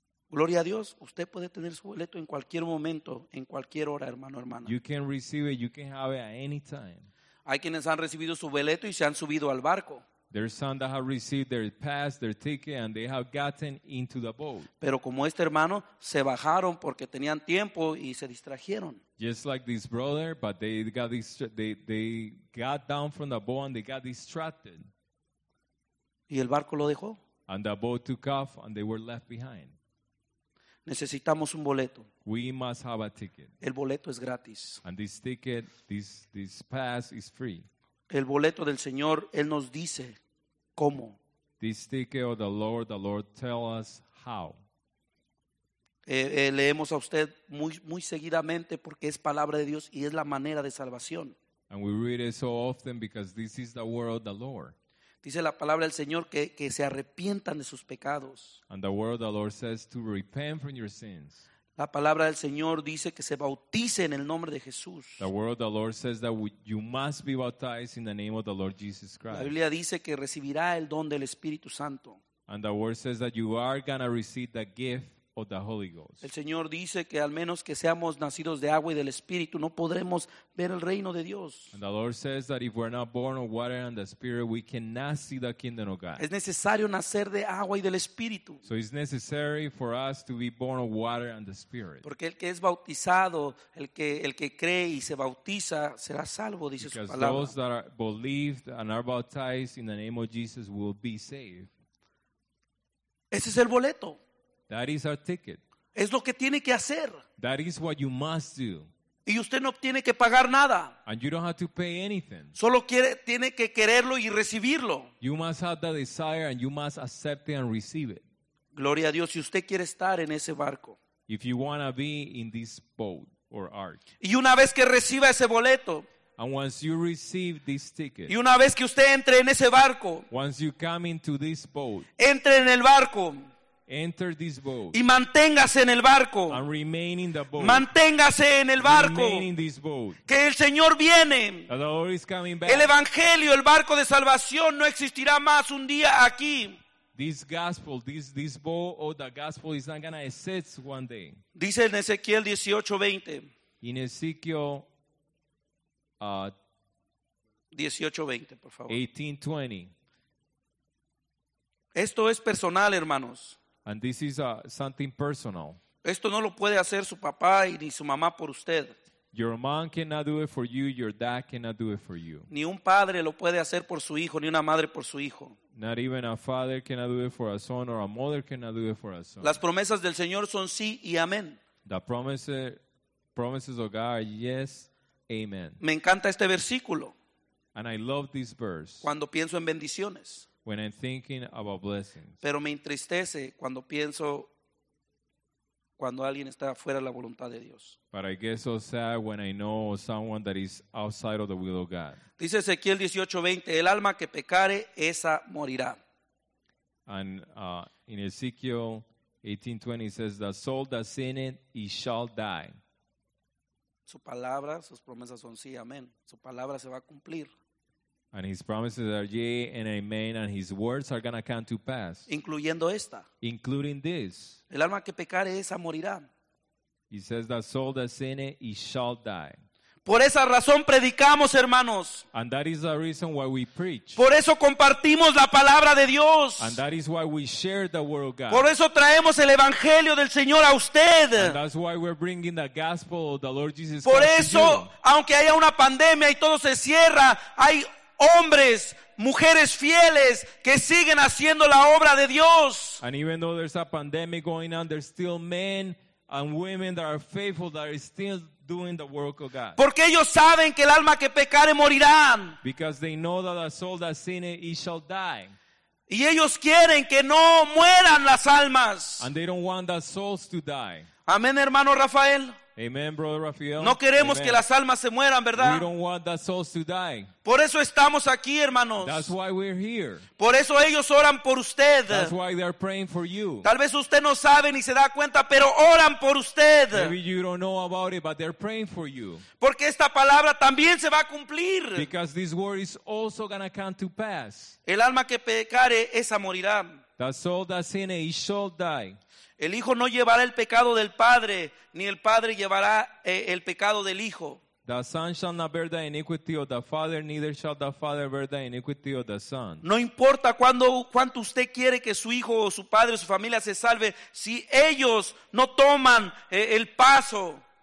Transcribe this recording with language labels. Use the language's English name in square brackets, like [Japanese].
[Spanish] Gloria a Dios, usted puede tener su boleto en cualquier momento, en cualquier hora, hermano, hermana. [English] You can receive it, you can have it at any time. [Spanish] Hay quienes han recibido su boleto y se han subido al barco. [English] There's some that have received their pass, their ticket, and they have gotten into the boat. [Spanish] Pero como este hermano, se bajaron porque tenían tiempo y se distrajeron. [English] Just like this brother, but they got down from the boat and they got distracted. [Spanish] Y el barco lo dejó. [English] And the boat took off and they were left behind. [Spanish] Necesitamos un boleto. [English] We must have a ticket. [Spanish] El boleto es gratis. [English] And this ticket, this pass is free. [Spanish] El boleto del Señor, Él nos dice cómo. [English] This ticket of the Lord tell us how. [Spanish] Leemos a usted muy, muy seguidamente porque es palabra de Dios y es la manera de salvación. [English] And we read it so often because this is the word of the Lord. [Spanish] Dice la palabra del Señor que se arrepientan de sus pecados. [English] And the word of the Lord says to repent from your sins. [Spanish] La palabra del Señor dice que se bautice en el nombre de Jesús. [English] The word of the Lord says that you must be baptized in the name of the Lord Jesus Christ. [Spanish] La Biblia dice que recibirá el don del Espíritu Santo. [English] And the word says that you are going to receive the gift of the Holy Ghost. [Spanish] El Señor dice que al menos que seamos nacidos de agua y del Espíritu, no podremos ver el reino de Dios. [English] And the Lord says that if we're not born of water and the Spirit, we cannot see the kingdom of God. [Spanish] Es necesario nacer de agua y del Espíritu. [English] So it's necessary for us to be born of water and the Spirit. [Spanish] Porque el que es bautizado, el que cree y se bautiza, será salvo, dice [English] because [Spanish] su palabra. [English] Those that are believed and are baptized in the name of Jesus will be saved. [Spanish] Ese es el boleto. [English] That is our ticket. [Spanish] Es lo que tiene que hacer. [English] That is what you must do. [Spanish] Y usted no tiene que pagar nada. [English] And you don't have to pay anything. [Spanish] Solo quiere, tiene que quererlo y recibirlo. [English] You must have the desire and you must accept it and receive it. [Spanish] Gloria a Dios, si usted quiere estar en ese barco. [English] If you want to be in this boat or ark. [Spanish] Y una vez que reciba ese boleto. [English] And once you receive this ticket. [Spanish] Y una vez que usted entre en ese barco. [English] Once you come into this boat. [Spanish] Entre en el barco. [English] Enter this boat. [Spanish] Y manténgase en el barco. [English] And remain in the boat. [Spanish] Manténgase en el barco. [English] Remain in this boat. [Spanish] Que el Señor viene. [English] And the Lord is coming back. [Spanish] El evangelio, el barco de salvación no existirá más un día aquí. [English] This gospel, this boat or the gospel is not going to exist one day. [Spanish] Dice en Ezequiel 18:20. [English] In Ezequiel [Spanish] 18:20, por favor. [English] 18:20. [Spanish] Esto es personal, hermanos. [English] And this is something personal. [Spanish] Esto no lo puede hacer su papá y ni su mamá por usted. [English] Your mom cannot do it for you. Your dad cannot do it for you. [Spanish] Ni un padre lo puede hacer por su hijo, ni una madre por su hijo. [English] Not even a father cannot do it for a son, or a mother cannot do it for a son. [Spanish] Las promesas del Señor son sí y amén. [English] The promises of God are yes, amen. [Spanish] Me encanta este versículo. [English] And I love this verse. [Spanish] Cuando pienso en bendiciones. [English] When I'm thinking about blessings. [Spanish] Pero me entristece cuando pienso cuando alguien está fuera de la voluntad de Dios. [English] But I get so sad when I know someone that is outside of the will of God. [Spanish] Dice Ezequiel 18:20, el alma que pecare, esa morirá. [English] And in Ezekiel 18:20 says, the soul that sinned, it shall die. [Spanish] Su palabra, sus promesas son sí, amén. Su palabra se va a cumplir. [English] And his promises are yea and amen, and his words are going to come to pass. [Spanish] Incluyendo esta. [English] Including this. [Spanish] El alma que pecare, esa morirá. [English] He says, the soul that sinned, he shall die. [Spanish] Por esa razón predicamos, hermanos. [English] And that is the reason why we preach. [Spanish] Por eso compartimos la palabra de Dios. [English] And that is why we share the word of God. [Spanish] Por eso traemos el evangelio del Señor a usted. [English] And that's why we're bringing the gospel of the Lord Jesus Christ. [Spanish] Por eso, aunque haya una pandemia y todo se cierra, hay hombres, mujeres fieles que siguen haciendo la obra de Dios. [English] And even though there's a pandemic going on, there's still men and women that are faithful that are still doing the work of God. [Spanish] Porque ellos saben que el alma que pecare morirá. [English] Because they know that the soul that sin it, it shall die. [Spanish] Y ellos quieren que no mueran las almas. [English] And they don't want their souls to die. [Spanish] Amén, hermano Rafael. [English] Amen, brother Rafael. [Spanish] No queremos [English] Amen. [Spanish] Que las almas se mueran, ¿verdad? [English] We don't want the souls to die. [Spanish] Por eso estamos aquí, hermanos. [English] That's why we're here. [Spanish] Por eso ellos oran por usted. [English] That's why they're praying for you. [Spanish] Tal vez usted no sabe ni se da cuenta, pero oran por usted. [English] Maybe you don't know about it, but they're praying for you. [Spanish] Porque esta palabra también se va a cumplir. [English] Because this word is also gonna come to pass. [Spanish] El alma que pecare, esa morirá. [English] The soul that sinned, it shall die. [Spanish] El hijo no llevará el pecado del padre, ni el padre llevará el pecado del hijo. [English] The son shall not bear the iniquity of the father, neither shall the father bear the iniquity of the son. [Spanish] No importa cuánto usted quiere que su hijo o su padre o su familia se salve, si ellos no toman el paso.